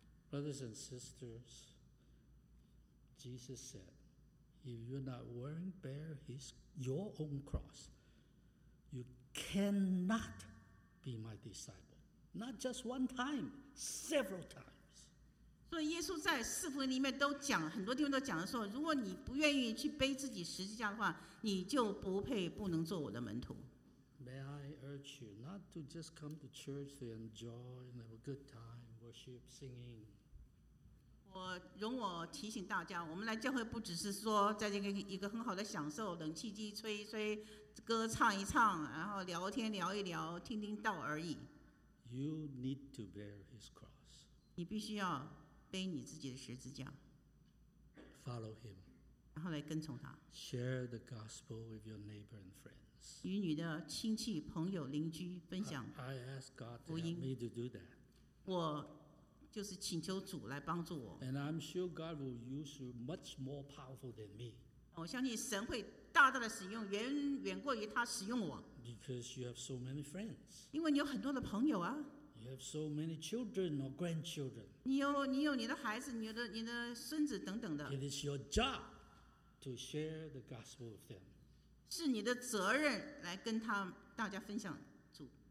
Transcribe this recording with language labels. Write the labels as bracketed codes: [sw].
[en] Brothers and sisters, Jesus said, "If you're not willing to bear your own cross, you cannot." Be my disciple, not just one time, several times. [zh] 所以耶稣在四福音里面都讲，很多地方都讲了说，如果你不愿意去背自己十字架的话，你就不配，不能做我的门徒。 [en] May I urge you not to just come to church to enjoy and have a good time, worship, singing. [zh] 容我提醒大家，我们来教会不只是说在这个一个很好的享受，冷气机吹一吹。歌唱一唱，然后聊天聊一聊，听听道而已。 [en] You need to bear his cross. [zh] 你必须要背你自己的十字架。 [en] Follow him. [zh] 然后来跟从他。 [en] Share the gospel with your neighbor and friends. [zh] 与你的亲戚、朋友、邻居分享 [en] 福音。I ask God to help me to do that. [zh] 我就是请求主来帮助我。 [en] And I'm sure God will use you much more powerful than me. [zh] 我相信神会。大大的使用，远过于他使用我。 [en] Because you have so many friends. [zh] 因为你有很多的朋友啊。 [en] You have so many children or grandchildren. [zh] 你有你的孩子，你的孙子等等的。 [en] It is your job to share the gospel with them. [zh] 是你的责任来跟他大家分享主。